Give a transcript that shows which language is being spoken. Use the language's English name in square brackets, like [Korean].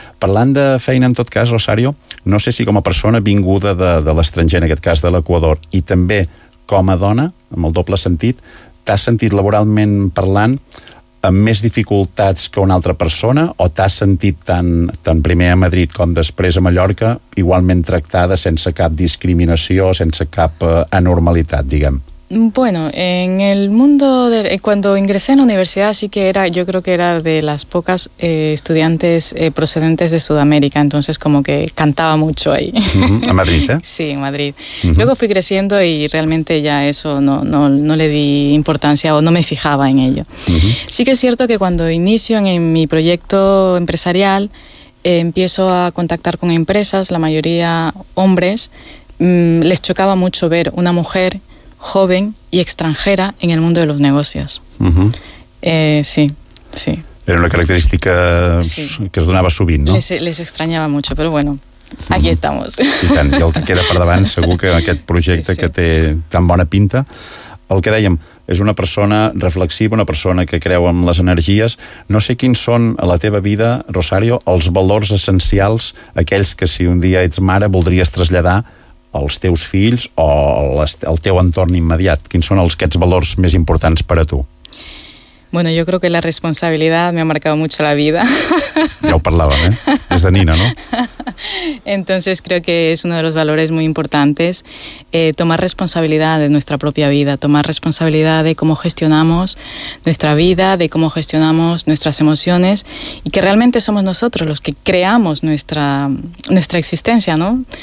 [Catalan] Parlant de feina, en tot cas, Rosario, no sé si com a persona vinguda de l'estranger, en aquest cas de l'Equador, i també com a dona, amb el doble sentit, t'has sentit laboralment parlant amb més dificultats que una altra persona o t'has sentit tant primer a Madrid com després a Mallorca igualment tractada sense cap discriminació, sense cap anormalitat, diguem? [Spanish] Bueno, en el mundo cuando ingresé en la universidad sí que era, yo creo que era de las pocas estudiantes procedentes de Sudamérica, entonces como que cantaba mucho ahí. Uh-huh. ¿A Madrid? ¿Eh? Sí, en Madrid. Uh-huh. Luego fui creciendo y realmente ya eso no le di importancia o no me fijaba en ello. Uh-huh. Sí que es cierto que cuando inicio en mi proyecto empresarial empiezo a contactar con empresas, la mayoría hombres, les chocaba mucho ver una mujer joven y extranjera en el mundo de los negocios. Uh-huh. Sí. [Catalan] Era una característica que es donaba sovint, ¿no? [Spanish] Les extrañaba mucho, pero bueno, uh-huh. aquí estamos. [Catalan] I tant, i el que queda per davant, segur que aquest projecte sí. que té tan bona pinta. El que dèiem, és una persona reflexiva, una persona que creu en les energies. No sé quins són, a la teva vida, Rosario, els valors essencials, aquells que si un dia ets mare voldries traslladar els teus fills o el teu entorn immediat? Quins són aquests valors més importants per a tu? [Spanish] Bueno, yo creo que la responsabilidad me ha marcado mucho la vida. Ya lo hablaban, ¿eh? Desde niña, ¿no? Entonces creo que es uno de los valores muy importantes, tomar responsabilidad de nuestra propia vida, tomar responsabilidad de cómo gestionamos nuestra vida, de cómo gestionamos nuestras emociones y que realmente somos nosotros los que creamos nuestra existencia, ¿no?